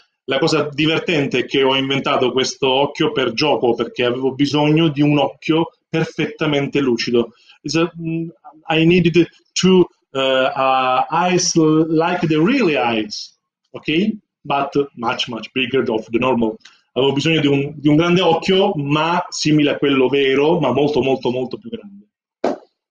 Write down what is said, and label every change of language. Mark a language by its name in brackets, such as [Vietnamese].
[Italian] La cosa divertente è che ho inventato questo occhio per gioco, perché avevo bisogno di un occhio perfettamente lucido. [English] I needed two eyes like the real eyes, okay? But much bigger than the normal. [Italian] Avevo bisogno di un grande occhio, ma simile a quello vero, ma molto, molto, molto più grande.